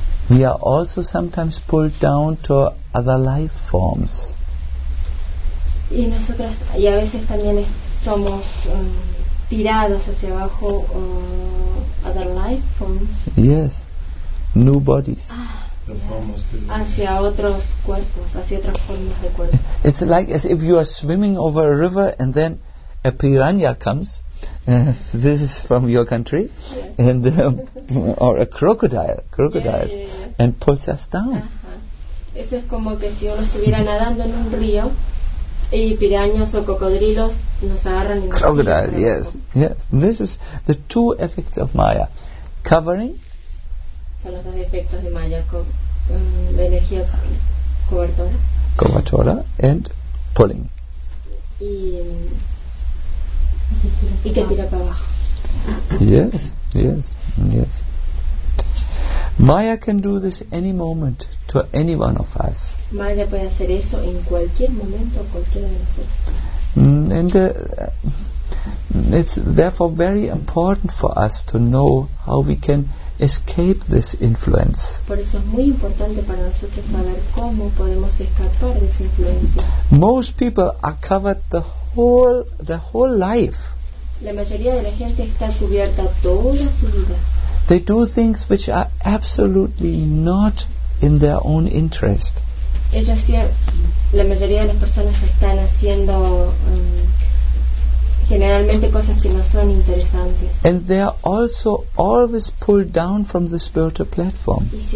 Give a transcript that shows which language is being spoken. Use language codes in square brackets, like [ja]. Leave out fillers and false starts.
[en] We are also sometimes pulled down to other life forms. [es] Y nosotras, y a veces también somos tirados hacia abajo, [en] other life forms. Yes, new bodies. [es] Hacia otros cuerpos, hacia otras formas de cuerpo. [en] It's like as if you are swimming over a river and then a piranha comes. This is from your country. Yeah. And or a crocodile. Yeah, yeah, yeah. And pulls us down. Uh-huh. [es] Eso es como que si uno estuviera nadando en un río. Y pirañas o cocodrilos nos agarran. [en] Crocodile, yes, yes. This is the two effects of Maya. Covering. [es] Son los dos efectos de Maya. La energía cobertora. [en] Cobertora and pulling. [es] Y que tira para abajo. [en] Yes, yes, yes. Maya can do this any moment to any one of us. [es] Maya puede hacer eso en cualquier momento, cualquiera de nosotros. [en] And it's therefore very important for us to know how we can escape this influence. [es] Por eso es muy importante para nosotros saber cómo podemos escapar de esa influencia. [en] Most people are covered the whole life. [es] La mayoría de la gente está cubierta toda su vida. [en] They do things which are absolutely not in their own interest. [es] Ellos, la mayoría de las personas están haciendo generalmente cosas que no son interesantes. [en] And they are also always pulled down from the spiritual platform.